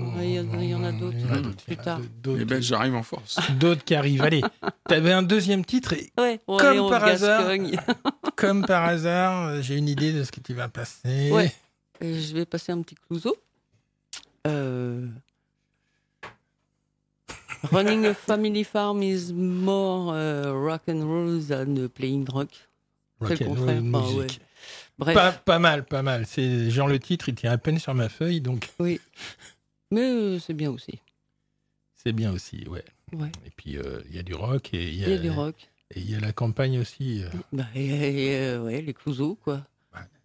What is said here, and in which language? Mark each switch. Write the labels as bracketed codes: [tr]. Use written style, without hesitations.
[fr] Il y en a d'autres plus tard. Les Belges arrivent en force. D'autres qui arrivent. Allez, t'avais un deuxième titre. Et ouais, comme par hasard, comme par hasard, j'ai une idée de ce que tu vas passer. Ouais. Et je vais passer un petit clouseau. [en] Running a family farm is more rock and roll than playing rock. Rock and roll music. [fr] Bref. Pas mal. C'est genre le titre, il tient à peine sur ma feuille, donc... Oui, mais c'est bien aussi. C'est bien aussi, ouais. Ouais. Et puis, il y a du rock et... Il y a du rock. Et il y a la campagne aussi. Ouais, les clouseaux, quoi. Ouais.